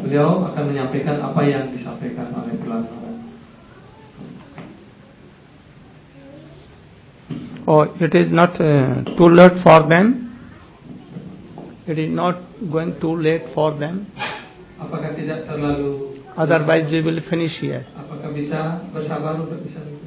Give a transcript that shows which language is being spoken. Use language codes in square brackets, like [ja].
[id] Beliau akan menyampaikan apa yang disampaikan oleh Prahlad Maharaj. [en] Oh, it is not too late for them. It is not going too late for them. [id] Apakah tidak terlalu? [en] Otherwise, we will finish here. [id] Apakah bisa bersabar untuk bisa?